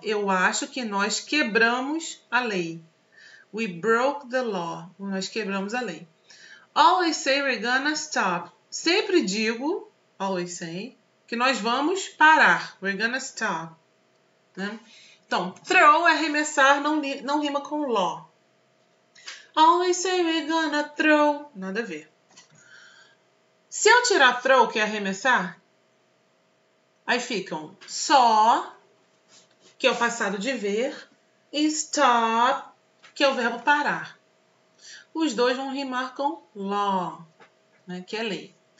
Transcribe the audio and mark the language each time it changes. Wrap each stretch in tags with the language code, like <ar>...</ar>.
<pt>Eu acho que nós quebramos a lei.</pt> <en>We broke the law.</en> <pt>Nós quebramos a lei.</pt> <en>Always say we're gonna stop.</en> <pt>Sempre digo,</pt> <en>always say,</en> <pt>que nós vamos parar.</pt> <en>We're gonna stop.</en> <pt>Né? Então, throw é arremessar, não rima com law.</pt> <en>Always say we're gonna throw.</en> <pt>Nada a ver. Se eu tirar throw, que é arremessar, aí ficam saw, que é o passado de ver, e stop, que é o verbo parar. Os dois vão rimar com law, né, que é lei.</pt>